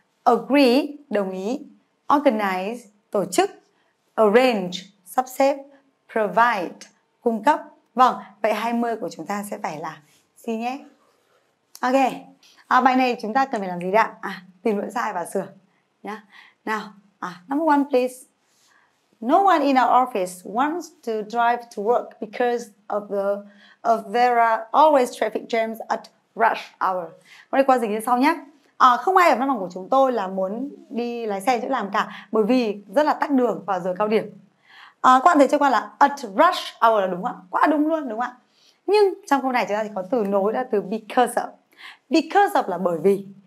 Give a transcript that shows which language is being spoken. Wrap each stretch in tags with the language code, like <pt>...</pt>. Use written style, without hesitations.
<vi>Agree, đồng ý. Organize, tổ chức. Arrange, sắp xếp. Provide, cung cấp. Vâng, vậy 20 của chúng ta sẽ phải là C nhé. Ok, bài này chúng ta cần phải làm gì đây ạ? Tìm lỗi sai và sửa nhá. Nào,</vi> <en>number one please. No one in our office wants to drive to work because there are always traffic jams at rush hour.</en> <vi>Hôm nay qua dịch như sau nhé. Không ai ở văn phòng của chúng tôi là muốn đi lái xe chỗ làm cả, bởi vì rất là tắc đường vào giờ cao điểm. Các bạn thấy cho qua là</vi> <en>at rush hour</en> <vi>là đúng không ạ? Quá đúng luôn đúng không ạ? Nhưng trong câu này chúng ta thì có từ nối là từ</vi> <en>because of.</en> <vi>Because of là bởi vì.</vi>